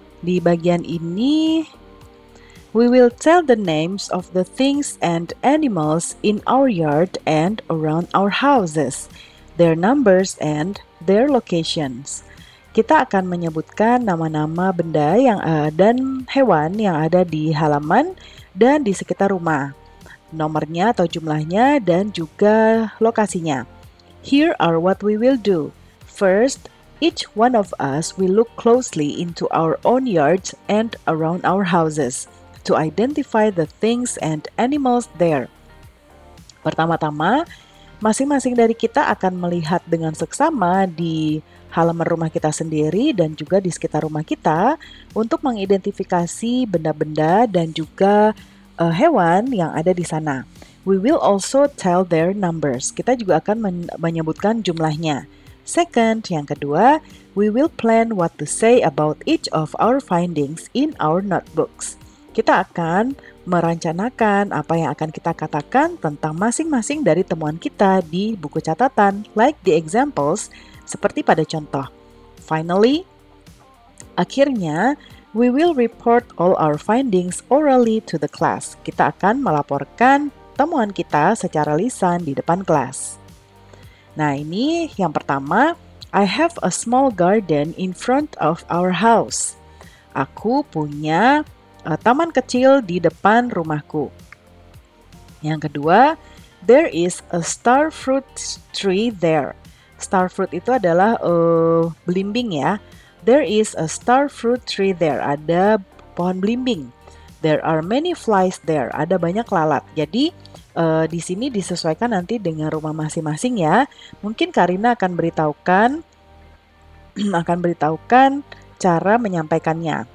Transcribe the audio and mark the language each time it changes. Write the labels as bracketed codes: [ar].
[id] Di bagian ini, [en] we will tell the names of the things and animals in our yard and around our houses, their numbers and their locations. [id] Kita akan menyebutkan nama-nama benda yang dan hewan yang ada di halaman dan di sekitar rumah. Nomornya atau jumlahnya dan juga lokasinya. [en] Here are what we will do. First, each one of us will look closely into our own yards and around our houses to identify the things and animals there. [id] Pertama-tama, masing-masing dari kita akan melihat dengan seksama di halaman rumah kita sendiri dan juga di sekitar rumah kita untuk mengidentifikasi benda-benda dan juga hewan yang ada di sana. [en] We will also tell their numbers. [id] Kita juga akan menyebutkan jumlahnya. [en] Second, [id] yang kedua, [en] we will plan what to say about each of our findings in our notebooks. [id] Kita akan merencanakan apa yang akan kita katakan tentang masing-masing dari temuan kita di buku catatan, [en] like the examples, [id] seperti pada contoh. [en] Finally, [id] akhirnya, [en] we will report all our findings orally to the class. [id] Kita akan melaporkan temuan kita secara lisan di depan kelas. Nah, ini yang pertama, [en] I have a small garden in front of our house. [id] Aku punya taman kecil di depan rumahku. Yang kedua, [en] there is a star fruit tree there. [id] Star fruit itu adalah belimbing ya. [en] There is a star fruit tree there. [id] Ada pohon belimbing. [en] There are many flies there. [id] Ada banyak lalat. Jadi di sini disesuaikan nanti dengan rumah masing-masing ya. Mungkin Karina akan beritahukan cara menyampaikannya.